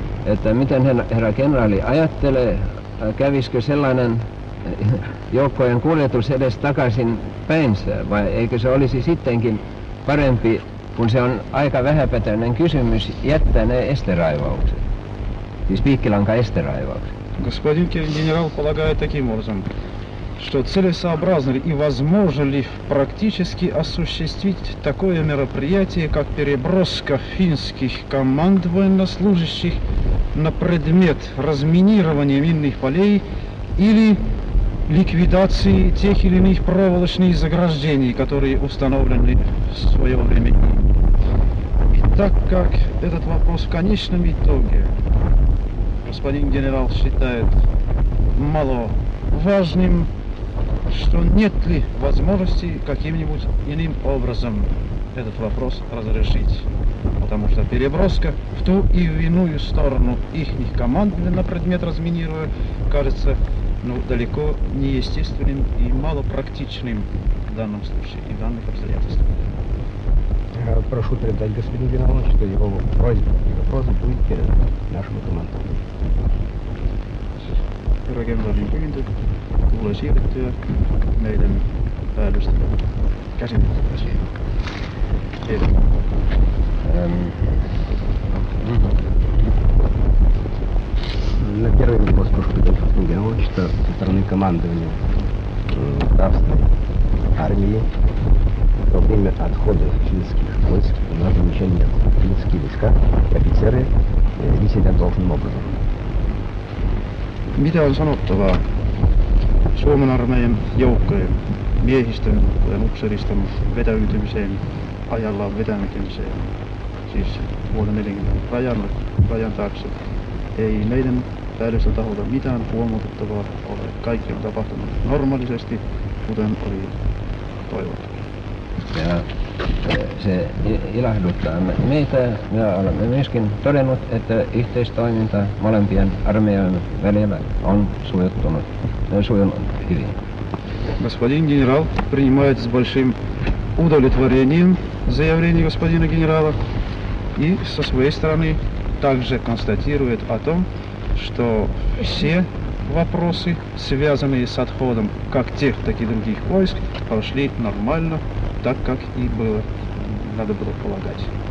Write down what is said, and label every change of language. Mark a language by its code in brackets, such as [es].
[fi] Että miten herra generaali ajattelee, kävisikö sellainen joukkojen kuljetus edes takaisin päinsä, vai eikö se olisi sittenkin parempi, kun se on aika vähäpätöinen kysymys, jättää ne esteraivaukset, siis Piikkilanka esteraivaukset. [ru] Господин генерал полагает таким образом, что целесообразно ли и возможно ли практически осуществить такое мероприятие, как переброска финских команд военнослужащих на предмет разминирования минных полей или ликвидации тех или иных проволочных заграждений, которые установлены в свое время. И так как этот вопрос в конечном итоге, господин генерал считает маловажным, что нет ли возможности каким-нибудь иным образом этот вопрос разрешить. Потому что переброска в ту и в иную сторону ихних команд на предмет разминирования кажется далеко не естественным и малопрактичным в данном случае и в данных обстоятельствах. Я прошу передать господину генералу, что его просьба и вопрос будет передан нашему команду. [fi] Rakennusalin pyyntö tulee siirrettyä meidän päällystä käsittelyä siihen. Kiitos. [ru] На первый вопрос прошу предоставить генерал, что со стороны командования Красной армии во время отхода финских войск у нас ничего нет. Финские войска и офицеры вели себя должным образом. [fi] Mitä on sanottavaa Suomen armeijan joukkojen miehistön ja upseeriston vetäytymiseen ajallaan vetäytymiseen, siis vuonna 1940 rajan taakse? Ei meidän päällystön taholta mitään huomautettavaa ole. Kaikki on tapahtunut normaalisesti, kuten oli toivottu. Ja se ilahduttaa meitä. Me olemme myöskin todennut, että yhteistoiminta molempien armeijan välillä on sujunut hyvin. [ru] Господин генерал принимает с большим удовлетворением заявление господина генерала и со своей стороны также констатирует о том, что все вопросы, связанные с отходом как тех, так и других войск, прошли нормально, так как и было, надо было полагать.